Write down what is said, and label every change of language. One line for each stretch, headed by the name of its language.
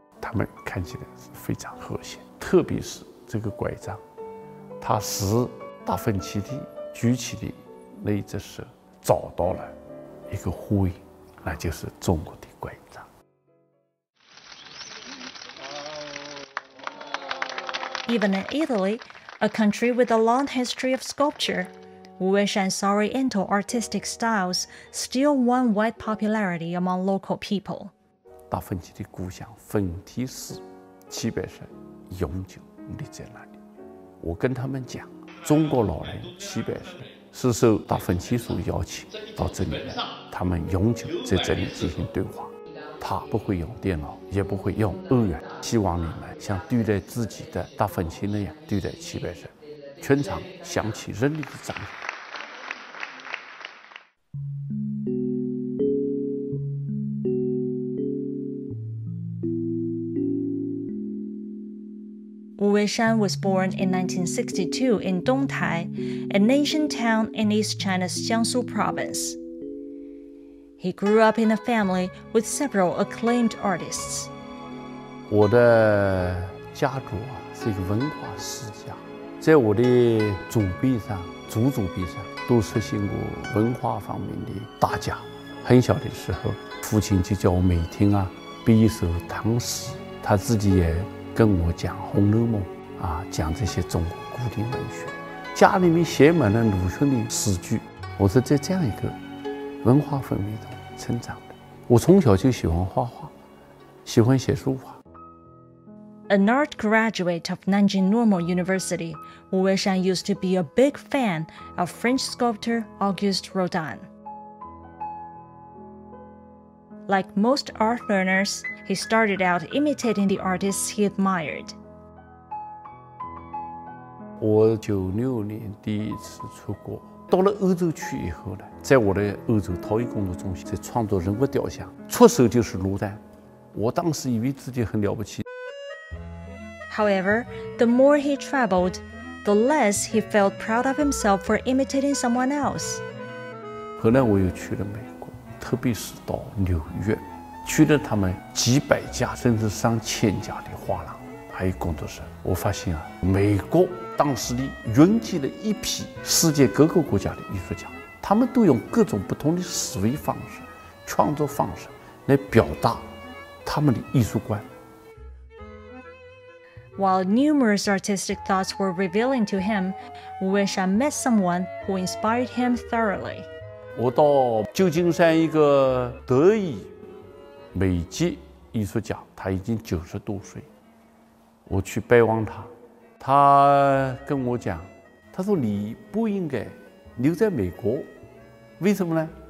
Chinese: 他们看起来是非常和谐，特别是这个拐杖，他使达芬奇的举起的那一只手找到了一个呼应，那就是中国的拐杖。
English: Even in Italy, a country with a long history of sculpture. Wu Weishan's Oriental artistic styles still won wide popularity among local people.
Chinese: 达芬奇的故乡芬提斯，齐白石永久立在那里。我跟他们讲，中国老人齐白石是受达芬奇所邀请到这里来，他们永久在这里进行对话。他不会用电脑，也不会用欧元，希望你们像对待自己的达芬奇那样对待齐白石。全场响起热烈的掌声。
English: Wu Weishan was born in 1962 in Dongtai, an ancient town in East China's Jiangsu province. He grew up in a family with several acclaimed artists.
Chinese: 我的家族是一个文化世家。在我的祖辈上，祖祖辈上都实行过文化方面的大家。很小的时候，父亲就叫我每天啊背一首唐诗，他自己也跟我讲《红楼梦》啊，讲这些中国古典文学。家里面写满了鲁迅的诗句，我是在这样一个文化氛围中成长的。我从小就喜欢画画，喜欢写书法。
English: An art graduate of Nanjing Normal University, Wu Weishan used to be a big fan of French sculptor Auguste Rodin. Like most art learners, he started out imitating the artists he admired.
Chinese: 我1996年第一次出国，到了欧洲去以后呢，在我的欧洲陶艺工作中心，在创作人物雕像，出手就是罗丹。我当时以为自己很了不起。
English: However, the more he traveled, the less he felt proud of himself for imitating someone else.
Chinese: 后来我又去了美国，特别是到纽约，去了他们几百家甚至上千家的画廊，还有工作室。我发现啊，美国当时的云集了一批世界各个国家的艺术家，他们都用各种不同的思维方式、创作方式来表达他们的艺术观。
English: While numerous artistic thoughts were revealing to him, Wu Weishan met someone who inspired him thoroughly.
Chinese: 我到旧金山一个德语美籍艺术家，他已经90多岁，我去拜望他，他跟我讲，他说你不应该留在美国，为什么呢？